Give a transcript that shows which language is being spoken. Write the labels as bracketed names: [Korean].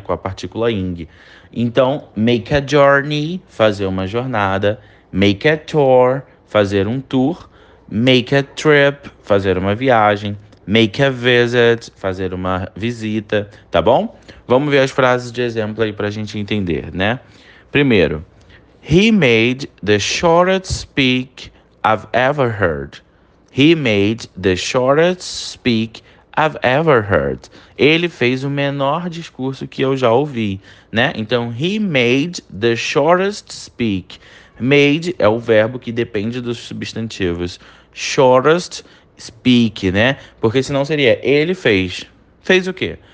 [Portuguese] Com a partícula ing. Então, [English] make a journey, [Portuguese] fazer uma jornada. [English] Make a tour, [Portuguese] fazer um tour. [English] Make a trip, [Portuguese] fazer uma viagem. [English] Make a visit, [Portuguese] fazer uma visita, tá bom? Vamos ver as frases de exemplo aí para a gente entender, né? [English] Primeiro, he made the shortest speech I've ever heard. He made the shortest speech I've ever heard. [Portuguese] Ele fez o menor discurso que eu já ouvi, né? Então, [English] he made the shortest speech. [Portuguese] Made é o verbo que depende dos substantivos. Shortest speak, né? Porque senão seria ele fez. Fez o quê?